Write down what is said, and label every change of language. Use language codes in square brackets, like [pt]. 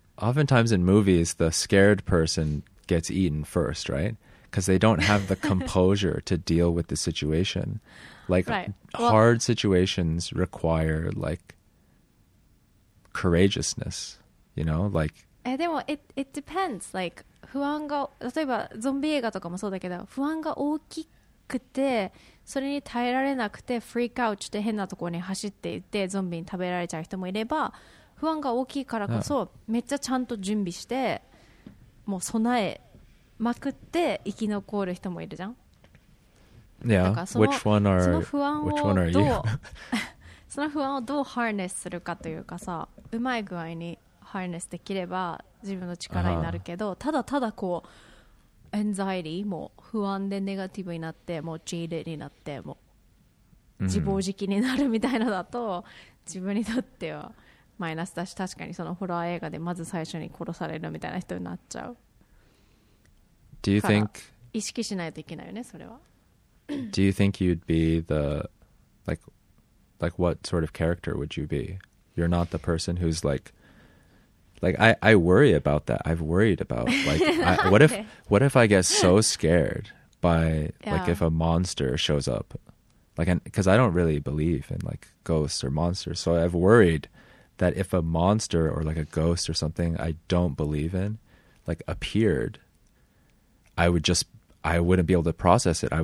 [en] Oftentimes in movies, the scared person gets eaten first, right? Because they don't have the composure to deal with the situation. Like, right. Well, hard situations require, like, courageousness, you know? Like, [ja] でも [en] it depends, like, [ja] 不安が、例えばゾンビ映画とかもそうだけど、不安が大きくてそれに耐えられなくてフリークアウトして変なところに走っていってゾンビに食べられちゃう人もいれば、不安が大きいからこそめっちゃちゃんと準備してもう備えまくって生き残る人もいるじゃん。いや、 [en] yeah. [ja] その不安をどうハーネスするかというかさ、うまい具合にハーネスできれば自分の力になるけど、ただただこうエンザイリーも不安でネガティブになってもうジーレになってもう自暴自棄になるみたいなだと、自分にとってはマイナスだし、確かにそのホラー映画でまず最初に殺されるみたいな人になっちゃう。 [en] Do you think [ja] 意識しないといけないよね、それは。 [en] Do you think you'd be the like what sort of character would you be? You're not the person who's like I worry about that. I've worried about like what if I get so scared by like if a monster shows up, like, because I don't really believe in like ghosts or monsters, so I've worried that if a monster or like a ghost or something I don't believe in like appeared, I wouldn't be able to process it.